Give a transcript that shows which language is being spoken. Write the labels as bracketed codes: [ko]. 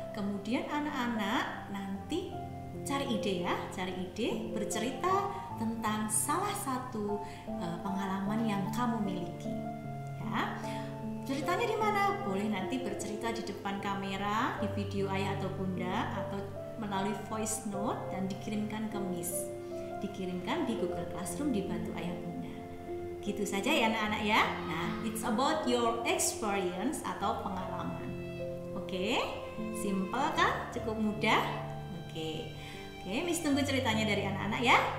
[id] Kemudian anak-anak nanti cari ide ya, cari ide bercerita tentang salah satu pengalaman yang kamu miliki. Ya. Ceritanya di mana? Boleh nanti bercerita di depan kamera, di video ayah atau bunda, atau melalui voice note dan dikirimkan ke Miss. Dikirimkan di Google Classroom dibantu ayah bunda. Gitu saja ya anak-anak ya. [en] Nah, it's about your experience [id] atau pengalaman. Oke, okay? Simple kan? Cukup mudah? Oke. Okay. Oke, okay, Miss tunggu ceritanya dari anak-anak ya.